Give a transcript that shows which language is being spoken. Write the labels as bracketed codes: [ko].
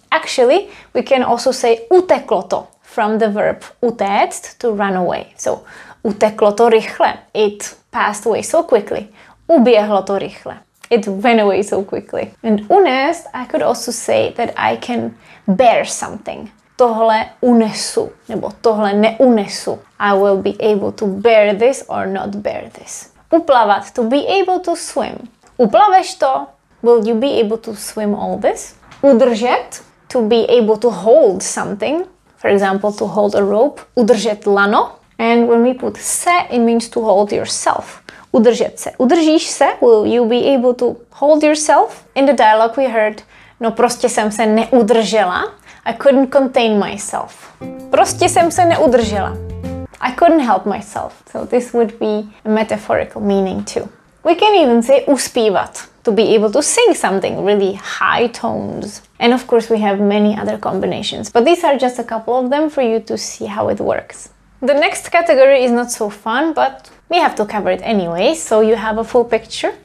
[en] Actually, we can also say uteklo to from the verb utéct, to run away. So [cs] uteklo to rychle. [en] It passed away so quickly. [cs] Uběhlo to rychle. [en] It ran away so quickly. And unést, I could also say that I can bear something. [cs] Tohle unesu, nebo tohle neunesu. [en] I will be able to bear this or not bear this. Uplavat, to be able to swim. [cs] Uplaveš to? [en] Will you be able to swim all this? Udržet, to be able to hold something. For example, to hold a rope. [cs] Udržet lano. [en] And when we put se, it means to hold yourself. [cs] Udržet se. Udržíš se? [en] Will you be able to hold yourself? In the dialogue we heard, [cs] no prostě jsem se neudržela. [en] I couldn't contain myself. [cs] Prostě jsem se neudržela. [en] I couldn't help myself. So this would be a metaphorical meaning too. We can even say uspívat, to be able to sing something, really high tones. And of course we have many other combinations, but these are just a couple of them for you to see how it works. The next category is not so fun, but we have to cover it anyway, so you have a full picture.